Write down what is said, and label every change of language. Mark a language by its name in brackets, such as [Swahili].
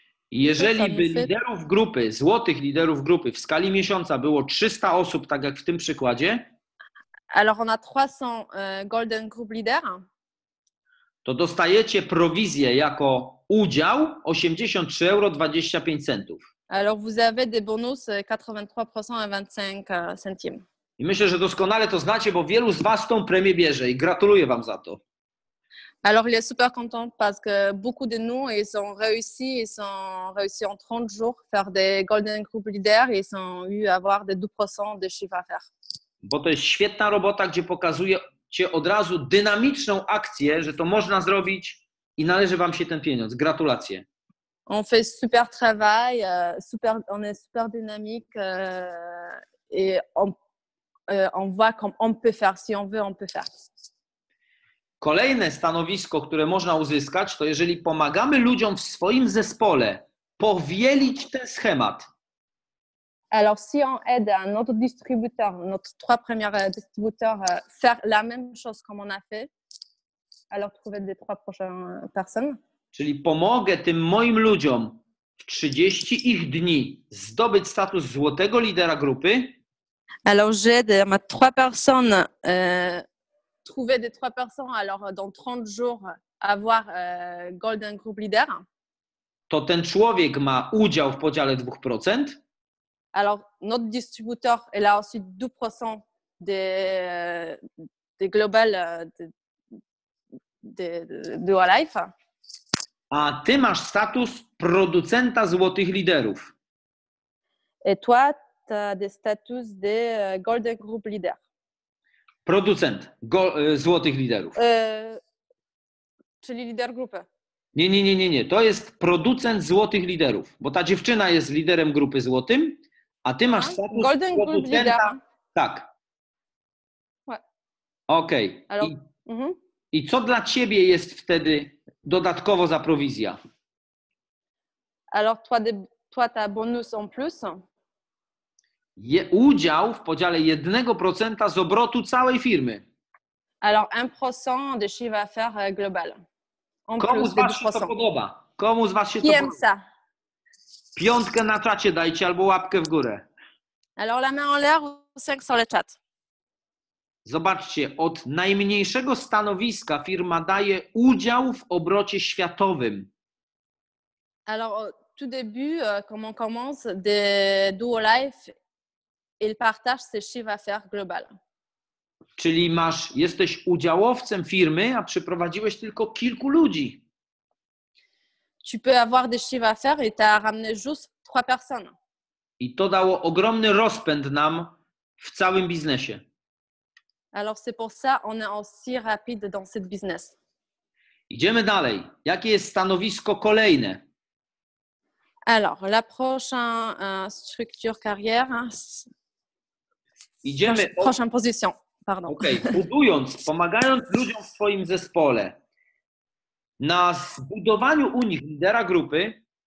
[Polish] Jeżeli by liderów grupy, złotych liderów grupy w skali miesiąca było 300 osób, tak jak w tym przykładzie, [French] alors on a 300 golden group leader, [Polish] to dostajecie prowizję jako udział 83,25 euro. [French] Alors vous avez des bonus 83% à 25 centimes. [Polish] I myślę, że doskonale to znacie, bo wielu z was tą premię bierze i gratuluję wam za to. [French] Alors il est super content parce que beaucoup de nous ils ont réussi en 30 jours faire des golden group leader et ils ont eu avoir des 2% de chiffre d'affaires. [Polish] Bo to jest świetna robota, gdzie pokazujecie od razu dynamiczną akcję, że to można zrobić i należy wam się ten pieniądz. Gratulacje. [French] On fait super travail, super, on est super dynamique et on voit comme on peut faire, si on veut, on peut faire. [Polish] Kolejne stanowisko, które można uzyskać, to jeżeli pomagamy ludziom w swoim zespole powielić ten schemat. [French] Alors si on aide un autre distributeur, notre trois premiers distributeurs faire la même chose comme on a fait, alors trouver des trois prochaines personnes. [Polish] Czyli pomogę tym moim ludziom w 30 ich dni zdobyć status złotego lidera grupy. [French] Alors j'aide ma trois personnes trouver des trois personnes alors dans 30 jours avoir golden group leader. [Polish] To ten człowiek ma udział w podziale 2%. [French] Alors notre distributeur il a aussi 2% des global de Dual Life. [Polish] A ty masz status producenta złotych liderów. [French] Et toi, tu as le status de Golden Group Leader. [Polish] Producent złotych liderów. Czyli lider grupy. Nie. To jest producent złotych liderów, bo ta dziewczyna jest liderem grupy złotym, a ty masz status [English] Golden [Polish] producenta. [English] Group Leader. [Polish] Tak. [French] Ouais. Okej. Okay. [Polish] I co dla ciebie jest wtedy dodatkowo za prowizja? [French] Alors toi ta bonus en plus. [Polish] Udział w podziale 1% z obrotu całej firmy. [French] Alors 1% de chiffre d'affaires global. [Polish] Komu z was się to podoba? Komu z was się to podoba? Piątkę na czacie dajcie albo łapkę w górę. [French] Alors la main en l'air ou 5 sur le chat. [Polish] Zobaczcie, od najmniejszego stanowiska firma daje udział w obrocie światowym. [French] Alors, tout début, comme on commence, de Duolife, il partage ses chiffres d'affaires global. [Polish] Czyli jesteś udziałowcem firmy, a przyprowadziłeś tylko kilku ludzi. [French] Tu peux avoir des chiffres d'affaires et t'as ramené juste trois personnes. [Polish] I to dało ogromny rozpęd nam w całym biznesie. [French] Alors c'est pour ça on est aussi rapide dans cette business. [Polish] Idziemy dalej. Jakie jest stanowisko kolejne? [French] Alors la prochaine structure carrière. [Polish] Idziemy [French] prochaine position. Pardon. Okej. Okay. [Polish] Budując, pomagając ludziom w swoim zespole na zbudowaniu u nich lidera grupy.